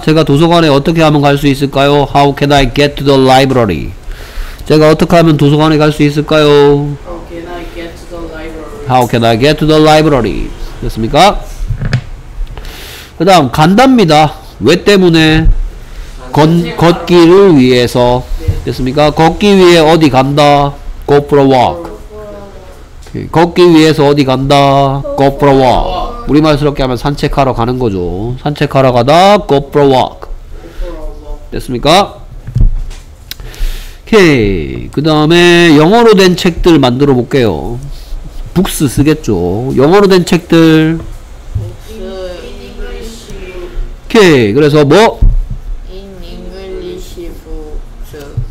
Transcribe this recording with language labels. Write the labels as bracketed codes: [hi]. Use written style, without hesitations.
[ko] 제가 도서관에 어떻게 하면 갈 수 있을까요? [en] How can I get to the library? 제가 어떻게 하면 도서관에 갈 수 있을까요? How can I get to the library? How can I get to the library? [ko] 됐습니까? 그 다음 간답니다. 왜 때문에? 걷기를 위해서. 네. 됐습니까? 걷기 위해 어디 간다? [en] Go for a walk. [ko] 오케이. 걷기 위해서 어디 간다? [en] Go for a walk. [ko] 우리말스럽게 하면 산책하러 가는 거죠. 산책하러 가다 [en] Go for a walk. [ko] 됐습니까? 그 다음에 영어로 된 책들 만들어 볼게요. Books 쓰겠죠. 영어로 된 책들 [en] Books. [ko] 오케이. 그래서 뭐? [en] In English books.